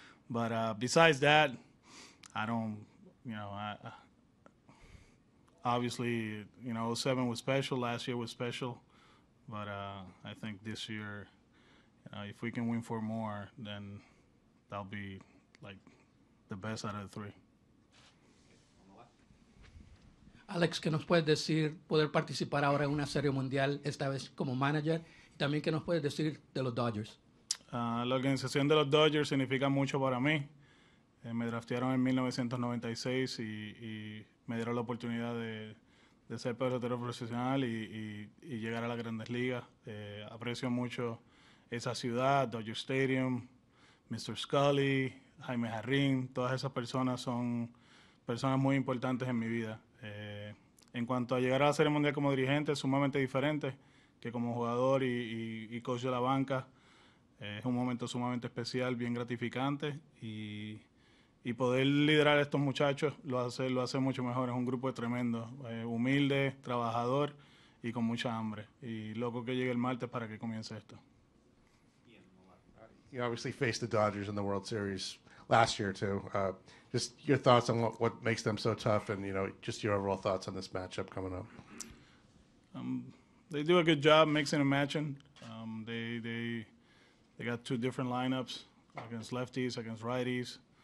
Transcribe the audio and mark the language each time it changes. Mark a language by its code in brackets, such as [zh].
[en] But besides that, I don't. You know, I. Obviously, you know, 07 was special. Last year was special. But I think this year, you know, if we can win four more, then that'll be, like, the best out of the three. [es] Alex, ¿qué nos puedes decir poder participar ahora en una serie mundial, esta vez como manager? También, ¿qué nos puedes decir de los Dodgers? La organización de los Dodgers significa mucho para mí. Me draftearon en 1996 y me dieron la oportunidad de ser pelotero profesional y llegar a las Grandes Ligas. Aprecio mucho esa ciudad, Dodger Stadium, Mr. Scully, Jaime Jarrín. Todas esas personas son personas muy importantes en mi vida. En cuanto a llegar a la Serie Mundial como dirigente, es sumamente diferente que como jugador y coach de la banca. Es un momento sumamente especial, bien gratificante y poder liderar a estos muchachos lo hace mucho mejor. Es un grupo tremendo, humilde, trabajador y con mucha hambre. Y loco que llegue el martes para que comience esto. [en] You obviously faced the Dodgers in the World Series last year too. Just your thoughts on what makes them so tough, and you know, just your overall thoughts on this matchup coming up. They do a good job mixing and matching. They got two different lineups against lefties, against righties.